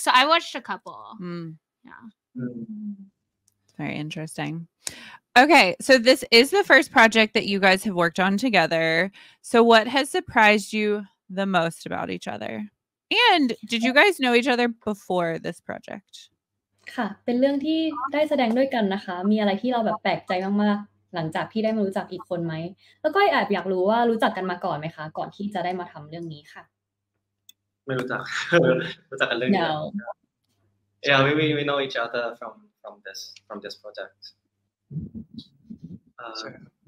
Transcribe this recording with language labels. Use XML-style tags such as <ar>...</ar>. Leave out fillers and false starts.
<en>So I watched a couple. Yeah. Very interesting. Okay, so this is the first project that you guys have worked on together. So what has surprised you the most about each other? And did you guys know each other before this project?</en> <th>ค่ะเป็นเรื่องที่ได้แสดงด้วยกันนะคะมีอะไรที่เราแบบแปลกใจมากๆหลังจากที่ได้มารู้จักอีกคนไหมแล้วก็แอบอยากรู้ว่ารู้จักกันมาก่อนไหมคะก่อนที่จะได้มาทำเรื่องนี้ค่ะ ไม่รู้จักกันเรื่องนี้</th> <en>Yeah, we know each other from this project. Sorry.</en>